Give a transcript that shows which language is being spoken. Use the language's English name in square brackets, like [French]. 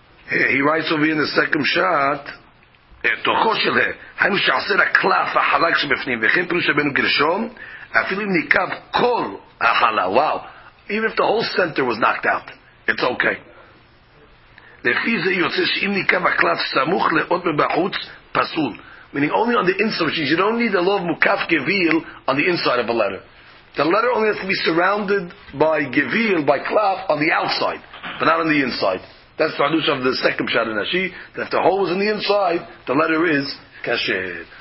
[English] He writes over here in the second shot, [Hebrew] תוכו של ה, היינו שעשה לקלף החלק שבפנים, וכן פירוש רבנו גרשום, אפילו ניקב כל החלה, וואו, [English] even if the whole center was knocked out, it's okay. [Hebrew] לפי זה יוצא שאם ניקב הקלף סמוך לאות מבחוץ, פסול. [English] Meaning only on the inside, which means you don't need a law of מוקף גביל on the inside of a letter. The letter only has to be surrounded by גביל, by קלף, on the outside, but not on the inside. That's the hadush of the second pshat in Rashi, that if the hole was in the inside, the letter is kasher.